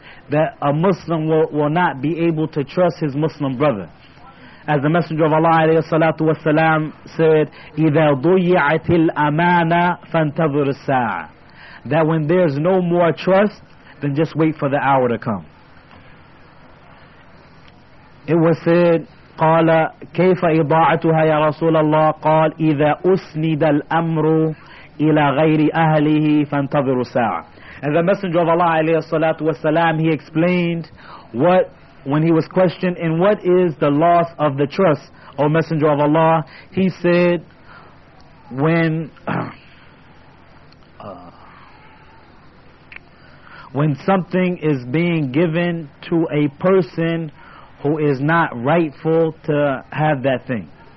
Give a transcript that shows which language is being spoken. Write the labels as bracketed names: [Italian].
[English] that a Muslim will not be able to trust his Muslim brother. As the Messenger of Allah عليه الصلاة والسلام said, [Arabic] إِذَا ضُيِّعَتِ الْأَمَانَةِ فَانْتَظُرِ السَّاعَةِ, [English] that when there's no more trust, then just wait for the hour to come. It was said, [Arabic] قَالَ كَيْفَ إِضَاعَتُهَا يَا رَسُولَ اللَّهِ قَالْ إِذَا أُسْنِدَ الْأَمْرُ إِلَى غَيْرِ أَهْلِهِ فَانْتَظِرُ السَّاعَةِ. [English] And the Messenger of Allah عليه الصلاة والسلام, he explained what, when he was questioned, and what is the loss of the trust, O Messenger of Allah, he said, when something is being given to a person who is not rightful to have that thing.